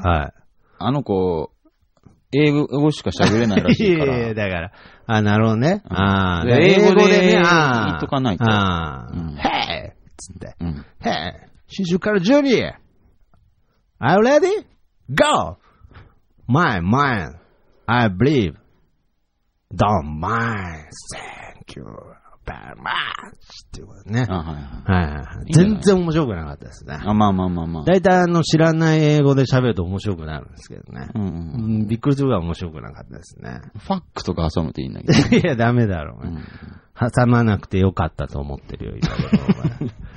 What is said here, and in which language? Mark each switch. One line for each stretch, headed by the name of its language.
Japanese: はい。あの子、英語しか喋れないらしいから。いやいや、だから。あ、なるほどね。うん、あ、英語でね、言っとかないと。あ、うん、へぇっつって。うん、へぇ四十からジュニア !
English: Are you ready? Go! My mind, I believe, don't mind, thank you very much!
Japanese: っていうことね。全然面白くなかったですね。あ、まあまあまあまあ。だいたい知らない英語で喋ると面白くなるんですけどね。うんうん、びっくりするから面白くなかったですね。ファックとか挟むといいんだけど、ね。いや、ダメだろう、ね、うん。挟まなくてよかったと思ってるよ、今頃。